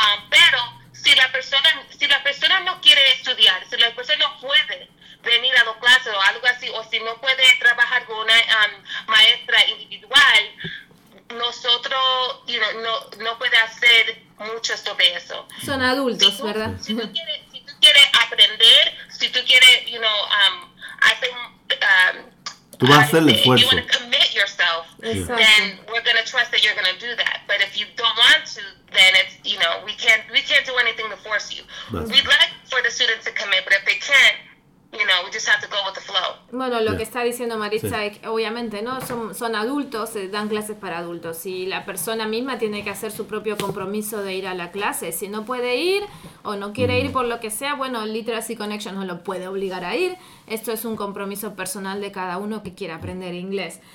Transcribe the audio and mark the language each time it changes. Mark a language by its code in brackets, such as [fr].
[es] Pero si la persona no quiere estudiar, si la persona no puede venir a los clases o algo así, o si no puede trabajar con una maestra individual, nosotros no puede hacer mucho sobre eso. Son adultos, si tú, ¿verdad? Si tú quieres aprender, si tú quieres, hacer... tú vas a hacer el esfuerzo. [en] If you want to commit yourself, exactly, then we're going to trust that you're going to do that. But if you don't want to, then it's, we can't do anything to force you. That's... we'd like for the students to commit, but if they can't, we just have to go with the flow. [es] Que está diciendo Maritza, es que obviamente, ¿no? Son adultos, dan clases para adultos. Y la persona misma tiene que hacer su propio compromiso de ir a la clase. Si no puede ir o no quiere ir por lo que sea, Literacy Connection no lo puede obligar a ir. Esto es un compromiso personal de cada uno que quiera aprender inglés.